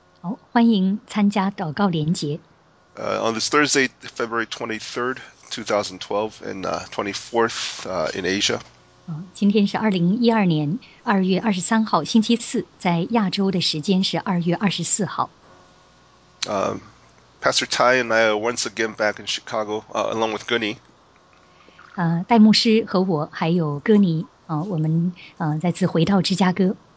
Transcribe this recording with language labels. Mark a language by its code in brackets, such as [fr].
[zh] Oh, 欢迎参加祷告连结。 [en] On this Thursday, February 23rd, 2012, and 24th in Asia. [zh] 今天是2012年2月23号星期四，在亚洲的时间是2月24号。 [en] Pastor Tai and I are once again back in Chicago, along with Gunny. [zh] 戴牧师和我还有哥尼，我们再次回到芝加哥。